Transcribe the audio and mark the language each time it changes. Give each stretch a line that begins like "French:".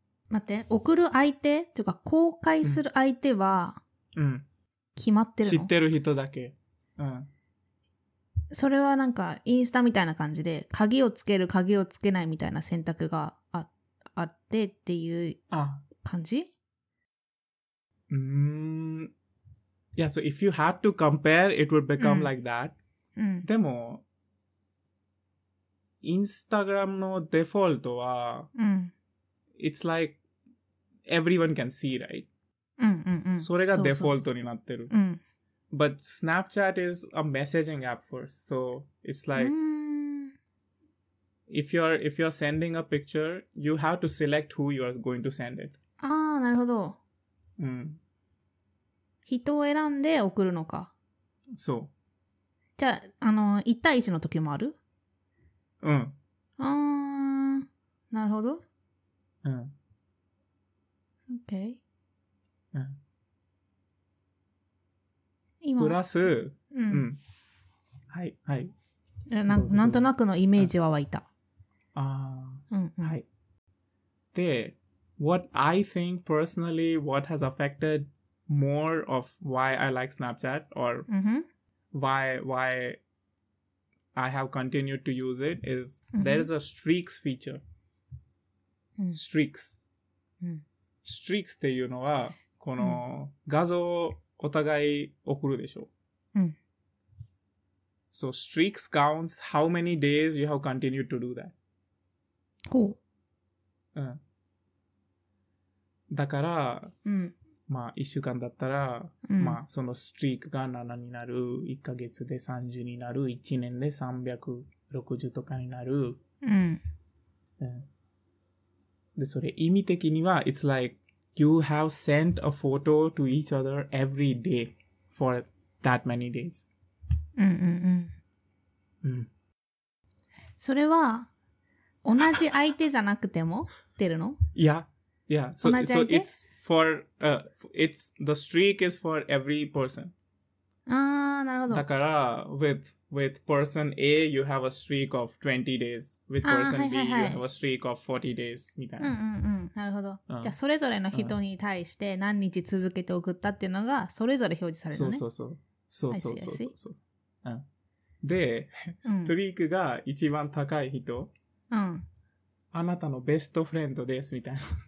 Japanese: 待って、送る相手というか公開する相手は、うん、決まってるの？知ってる人だけ、うん、それはなんかインスタみたいな感じで鍵をつける鍵をつけないみたいな選択があってっていう感じ？
English: Yeah, so if you had to compare, it would become、うん、like that.、
Japanese: うん、でも、Instagram のデフォルトは、うん、
English: it's like everyone can see, right?
Japanese: うんうんうん、それがデフォルトになってる。そうそう、うん、
English: But Snapchat is a messaging app first, so it's like、
Japanese: うん、
English: If you're sending a picture, you have to select who you are going to send it.
Japanese: Ah, なるほど。うん。人を選んで送るのか。そう。じゃあ、一対一の時もある？うん。ああ、なるほど。うん。
English: Okay。
Japanese: うん。今。プラス。うん。うん、はいはい。なんとなくのイメージは湧いた。はい。
English: で、what I think personally, what has affected more of why I like Snapchat or、 mm-hmm. why I have continued to use it is、mm-hmm. there is a streaks feature.、 Mm-hmm. Streaks.、 Mm-hmm.
Japanese: Streaks っていうのは、この画像をお互い送るでしょ。 Mm-hmm.
English: So streaks counts how many days you have continued to do that.
Japanese: ほう。うん。だから、うん。まあ、1週間だったら、うん、まあ、そのストリークが7になる、1ヶ月で30になる、1年で360とかになる。うん。うん、で、それ意味的には、
English: it's like, you have sent a photo to each other every day for that many days.
Japanese: うんうんうん。うん。それは、同じ相手じゃなくても出るの？いや。
English: Yeah, so, so it's for, it's, the streak is for every person.
Japanese: Ah, なるほど。
English: だから with person A, you have a streak of 20 days. With person B, you have a streak of 40 days,
Japanese: みたいな。うんうんうん、なるほど。じゃあ、それぞれの人に対して何日続けて送ったっていうのが、それぞれ表示されるのね。そうそうそう。そうそうそう。うん。で、ストリークが一番高い人。うん。あなたのベストフレンドです、みたいな。